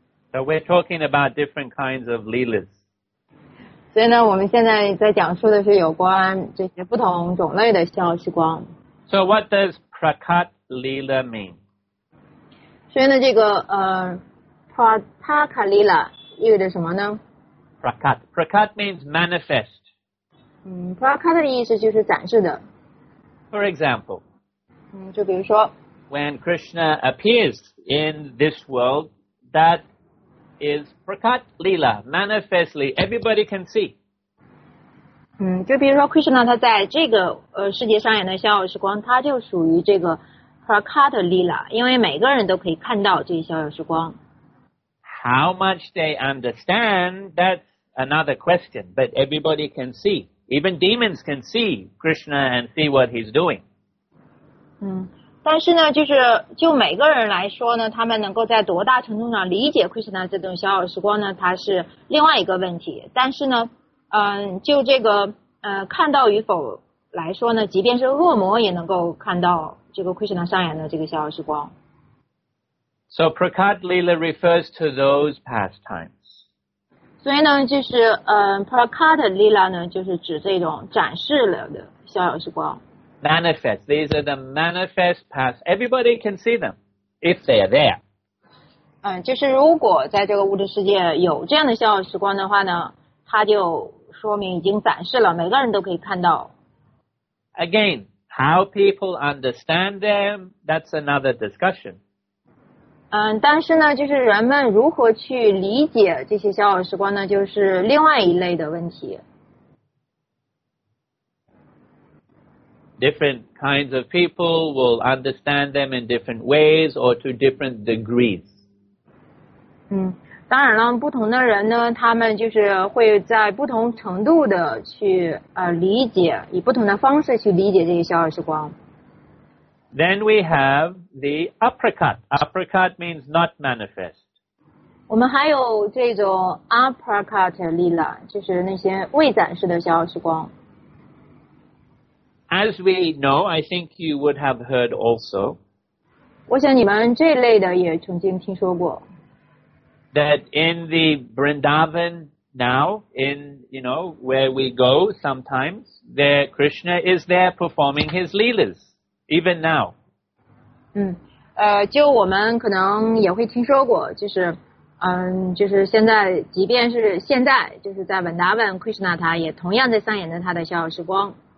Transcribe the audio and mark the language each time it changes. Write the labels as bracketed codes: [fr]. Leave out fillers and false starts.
[en] So we're talking about different kinds of Leelas [zh] 所以呢我们现在在讲述的是有关这些不同种类的逍遥时光 [en] So what does Prakat Lila mean? [zh] 所以呢，这个Prakat Lila 意味着什么呢 [en] ？Prakat means manifest. [zh] Prakat 的意思就是展示的。 [en] For example. [zh] 就比如说。 [en] when Krishna appears in this world, that is prakat lila, manifestly, everybody can see. [zh] 就比如说 Krishna 他在这个世界上演的逍遥时光，他就属于这个 prakat lila， 因为每个人都可以看到这逍遥时光。 [en] How much they understand, that's another question, but everybody can see. Even demons can see Krishna and see what he's doing. [zh] 但是呢就是就每个人来说呢，他们能够在多大程度上理解 Krishna 这种逍遥时光呢，它是另外一个问题。但是呢就这个看到与否来说呢，即便是恶魔也能够看到这个 Krishna 上演的这个逍遥时光。 [en] So Prakat Lila refers to those pastimes. [zh] 所以呢就是Prakat Lila 呢就是指这种展示了的逍遥时光。 [en] Manifest. These are the manifest past. Everybody can see them if they are there. [zh] 就是如果在这个物质世界有这样的逍遥时光的话呢，它就说明已经展示了，每个人都可以看到。 [en] Again, how people understand them, that's another discussion. [zh] 但是呢，就是人们如何去理解这些逍遥时光呢，就是另外一类的问题。 [en] Different kinds of people will understand them in different ways or to different degrees. [zh] 当然了，不同的人呢，他们就是会在不同程度的去理解，以不同的方式去理解这些逍遥时光。 [en] Then we have the aprakat. Aprakat means not manifest. [zh] 我们还有这种 aprakat lila， 就是那些未展示的逍遥时光。 [en] As we know, I think you would have heard also. [zh] 我想你们这类的也曾经听说过。 [en] That in the Vrindavan now, in, you know, where we go sometimes, there Krishna is there performing his leelas, even now. [zh] 就我们可能也会听说过，就是现在，即便是现在，就是在 Vrindavan, Krishna 他也同样在上演着他的逍遥时光。